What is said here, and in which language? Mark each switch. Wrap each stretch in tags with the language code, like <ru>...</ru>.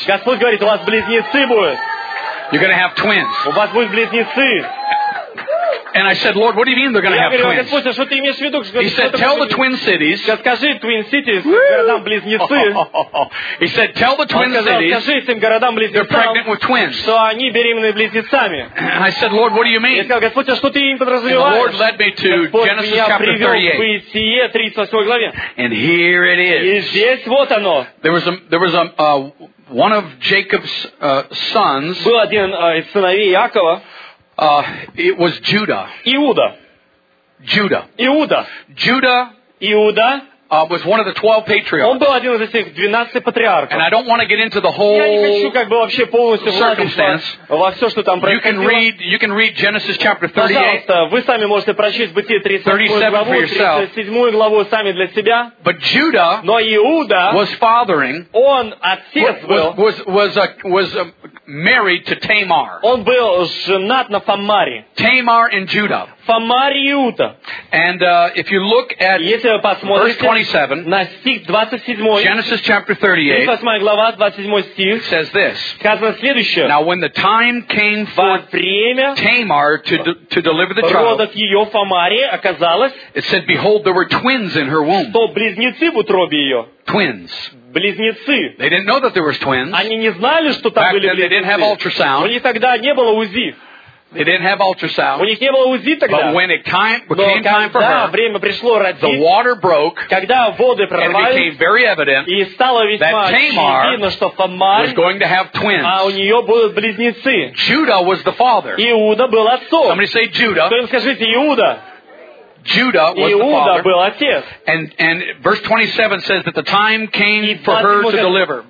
<ru>Господь говорит, у вас близнецы будут.</ru> <en>You're going to have twins.</en> <ru>У вас будут близнецы.</ru> <en>And I said, Lord, what do you mean they're going to have</en> <ru>говорю,</ru> <en>twins?</en> <ru>Господь,</ru> <en>he said, tell the twin cities.</en> <ru>Скажи, twin cities городам, близнецы,</ru> <en>he said, tell the twin</en> <ru>сказал,</ru> <en>cities</en> <ru>городам,</ru> <en>they're pregnant with twins. And I said, Lord, what do you mean?</en> <ru>Сказал, Господь,</ru> <en>and the Lord led me to</en> <ru>Господь</ru> <en>Genesis chapter 38. And here it is.</en> <ru>Вот</ru> <en>there was one of Jacob's sons.</en> <ru>Был один из сыновей Якова.</ru> <en>It was Judah.</en> <ru>Иуда.</ru> <en>Judah.</en> <ru>Иуда.</ru> <en>Judah.</en> <ru>Иуда.</ru> <en>Was one of the 12 patriarchs.</en> <ru>Он был один из этих 12 патриархов.</ru> <en>And I don't want to get into the whole circumstance. You can read Genesis chapter 38.</en> <ru>Вы сами можете прочесть Бытие 37 главу сами для себя.</ru> <en>But Judah,</en> <ru>но Иуда,</ru> <en>was fathering.</en> <ru>Он отец был.</ru> <en>Was married to Tamar.</en> <ru>Он был женат на Фамаре.</ru> <en>Tamar and Judah.</en> <ru>Фамарь и Иуда.</ru> <en>And if you look at verse 27,</en> <ru>на стих 27,</ru> <en>Genesis chapter 38,</en> <ru>38 глава, 27 стих,</ru> <en>says this.</en> <ru>Сказано следующее.</ru> <en>Now when the time came for Tamar to deliver the child,</en> <ru>родов ее Фамаре оказалось,</ru> <en>it said, behold, there were twins in her womb.</en> <ru>Что близнецы в утробе ее.</ru> <en>Twins.</en> <ru>Близнецы.</ru> <en>They didn't know that there was twins.</en> <ru>Они не знали, что там</ru> <en>Back</en> <ru>были</ru> <en>then,</en> <ru>близнецы.</ru> <en>They didn't have ultrasound.</en> <ru>У них тогда не было УЗИ.</ru> <en>They didn't have ultrasound.</en> <ru>У них не было УЗИ тогда.</ru> <en>But when it time,</en> <ru>Но</ru> <en>came time for her,</en> <ru>время пришло родить,</ru> <en>the water broke,</en> <ru>когда воды прорвались,</ru> <en>and it became very evident</en> <ru>и стало весьма очевидно, что Фамар</ru> <en>was going to have twins.</en> <ru>А у нее будут близнецы.</ru> <en>Judah was the father.</en> <ru>Иуда был отцом.</ru> <en>Somebody say Judah.</en> <ru>Кто-нибудь скажите Иуда.</ru> <en>Judah was</en> <ru>Иуда</ru> <en>the father. And verse 27 says that the time came for her to deliver.</en>